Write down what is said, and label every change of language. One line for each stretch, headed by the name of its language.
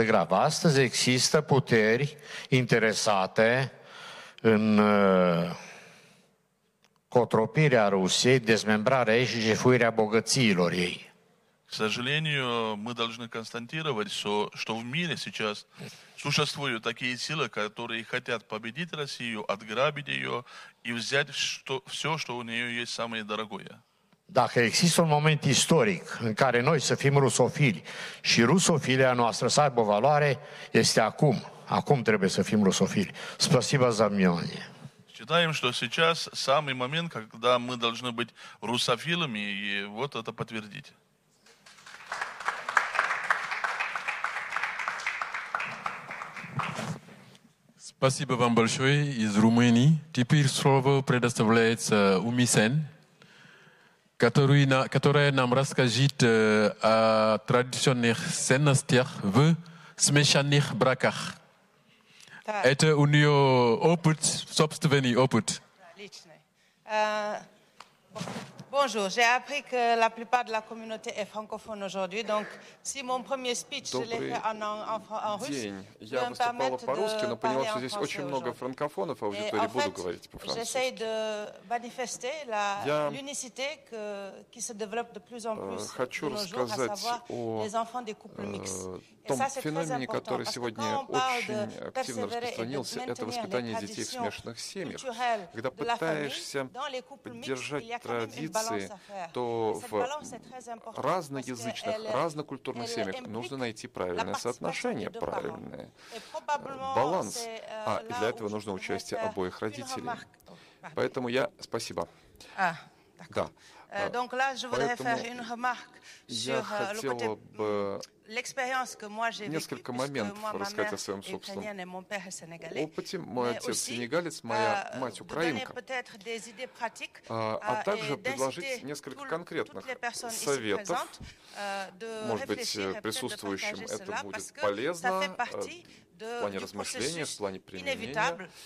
Romanian: Astăzi există puteri interesate în cotropirea Rusiei, dezmembrarea ei și jefuirea bogățiilor ei.
Russian: К сожалению, мы должны констатировать, что в мире сейчас существуют такие силы, которые хотят победить Россию, отграбить ее и взять все, что у нее есть самое дорогое.
Romanian: Dacă există un moment istoric în care noi să fim rusofili și rusofilia noastră să aibă valoare, este acum. Acum trebuie să fim rusofili.
Russian: Спасибо за внимание. Считаем, что сейчас самый момент, когда мы должны быть русофилами и вот это подтвердить. Спасибо вам большое из Румынии. Теперь слово предоставляется Уми Сен, которая нам расскажет о традиционных ценностях в смешанных браках. Да. Это у нее опыт, собственный опыт. Да, личный.
French: Bonjour, j'ai appris que la plupart de la communauté est francophone aujourd'hui, donc si mon premier speech je l'ai fait en russe,
Russian: я выступала по-русски, но поняла, что здесь очень много франкофонов, а аудитории буду говорить по-французски.
French: J'essaie de manifester l'unicité qui se développe de plus en plus.
Russian: Хочу рассказать о
French: les enfants des couples mixtes.
Russian: В том феномене, который сегодня очень активно распространился, это воспитание детей в смешанных семьях. Когда пытаешься поддержать традиции нации, то в разноязычных, разнокультурных семьях нужно найти правильное соотношение, правильный баланс. А для этого нужно участие обоих родителей. Поэтому я... Спасибо. Да.
French: Donc là, je voudrais faire une remarque sur l'expérience que moi j'ai vécue, puisque moi, ma mère est ukrainienne et mon père est sénégalais.
Russian: Опыте, мой отец сенегалец, моя мать украинка.
French: Peut-être des idées pratiques,
Russian: а также предложить несколько конкретных советов, может быть, присутствующим это будет полезно. В плане размышления, в плане применения,